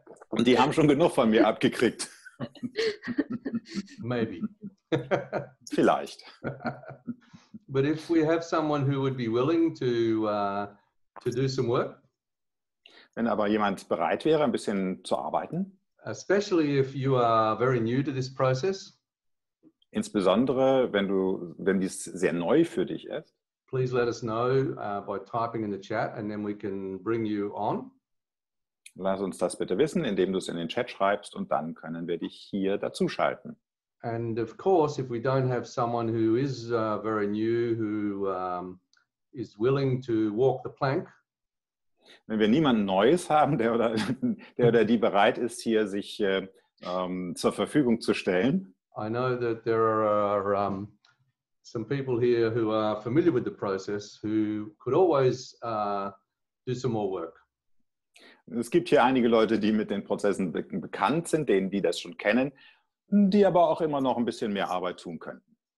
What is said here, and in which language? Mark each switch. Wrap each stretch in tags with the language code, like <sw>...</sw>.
<de>Und die haben schon genug von mir abgekriegt.</de> <en>Maybe.</en> <de>Vielleicht.</de> <en>But if we have someone who would be willing to do some work.</en> <de>Wenn aber jemand bereit wäre, ein bisschen zu arbeiten.</de> <en>Especially if you are very new to this process.</en> <de>Insbesondere, wenn dies sehr neu für dich ist.</de> <en>Please let us know by typing in the chat and then we can bring you on.</en> <de>Lass uns das bitte wissen, indem du es in den Chat schreibst und dann können wir dich hier dazu schalten.</de> <en>And of course, if we don't have someone who is very new, who is willing to walk the plank.</en> <de>Wenn wir niemanden Neues haben, der oder die bereit ist, hier sich zur Verfügung zu stellen.</de> <en>I know that there are some people here who are familiar with the process who could always do some more work.</en> <de>Es gibt hier einige Leute, die mit den Prozessen bekannt sind, denen die das schon kennen, die aber auch immer noch ein bisschen mehr Arbeit tun könnten.</de>